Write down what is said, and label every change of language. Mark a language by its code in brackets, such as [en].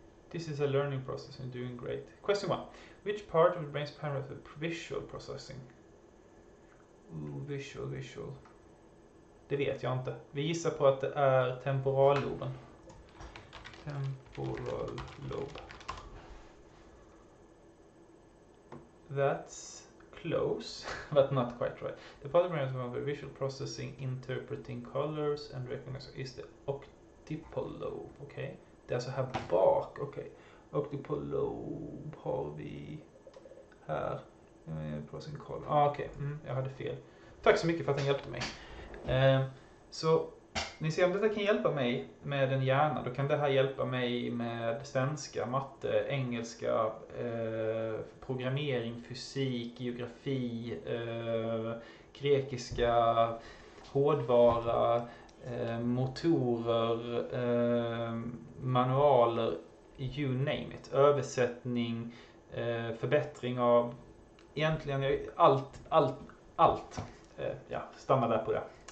[en] This is a learning process and doing great. Question 1. Which part of the brain's primary for visual processing? [sv] Ooh, visual. Det vet jag inte. Vi gissar på att det är temporalloben. [en] Temporal lobe. That's close, but not quite right. The part of the brain's primary for visual processing, interpreting colors and recognizing is the occipital lobe, okay? [sv] Det är alltså här bak, okej. Okay. Occipital lobe har vi här. [en] Processing call. [sv] Ah, okej, okay. Jag hade fel. Tack så mycket för att den hjälpte mig. Så ni ser om detta kan hjälpa mig med en hjärna. Då kan det här hjälpa mig med svenska, matte, engelska, programmering, fysik, geografi, grekiska, hårdvara, motorer, manualer, [en] you name it, [sv] översättning, förbättring av egentligen allt. Ja, stanna där på det.